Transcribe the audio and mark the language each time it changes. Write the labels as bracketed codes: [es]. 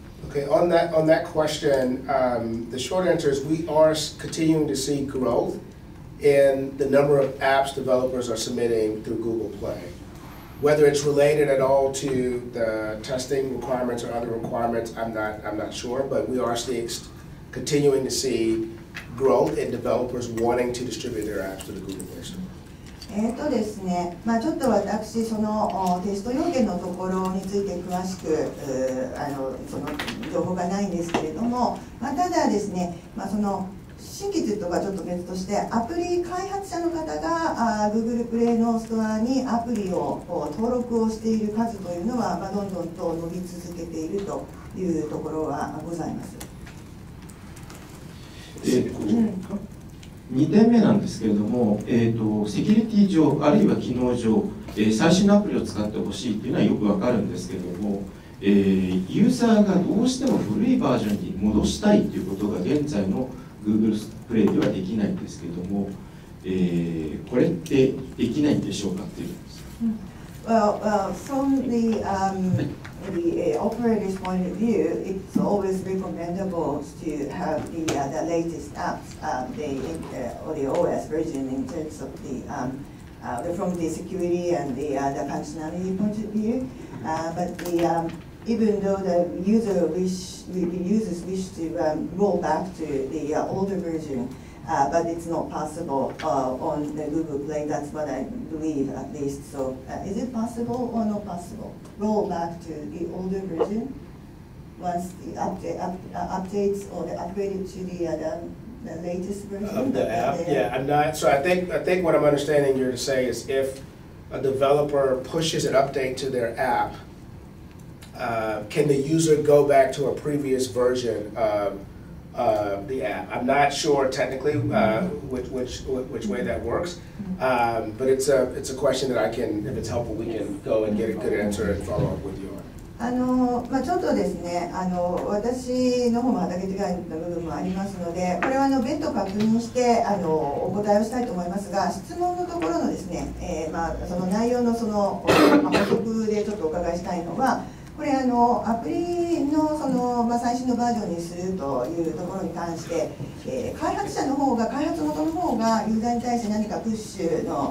[en] Okay, on that question, the short answer is we are continuing to see growth in the number of apps developers are submitting through Google Play. Whether it's related at all to the testing requirements or other requirements, I'm not sure, but we are continuing to see growth in developers wanting to distribute their apps to the Google Play Store. [ja] ですね、まあ、ちょっと私そのテスト要件のところについて詳しくその情報がないんですけれども、まあ、ただですね、まあ、その新規というとかちょっと別としてアプリ開発者の方が Google Play のストアにアプリを登録をしている数というのは、まあ、どんどんと伸び続けているというところはございます。 2点目なんですけれども、セキュリティ上あるいは機能上、最新のアプリを使ってほしいというのはよくわかるんですけれども、ユーザーがどうしても古いバージョンに戻したいということが現在の Google Play ではできないんですけれども、これってできないんでしょうかっていうんです。 [en] The operator's point of view, it's always recommendable to have the latest apps, or the OS version in terms of from the security and the functionality point of view. But even though the users wish to roll back to the older version, but it's not possible on the Google Play. That's what I believe, at least. So is it possible or not possible? Roll back to the older version once the updates or the upgraded to the latest version of the app? I think what I'm understanding you're to say is if a developer pushes an update to their app, can the user go back to a previous version of the app? I'm not sure technically which way that works, but it's a question that I can, if it's helpful, we can go and get a good answer and follow up with you on. [ja] まあ、ちょっとですね、私の方も畑違いの部分もありますので、これは別途確認してお答えをしたいと思いますが、質問のところのですね、その内容のその補足でちょっとお伺いしたいのは、これアプリ その、まあ、最新のバージョンにするというところに関して、開発者の方が、開発元の方がユーザーに対して何かプッシュ そ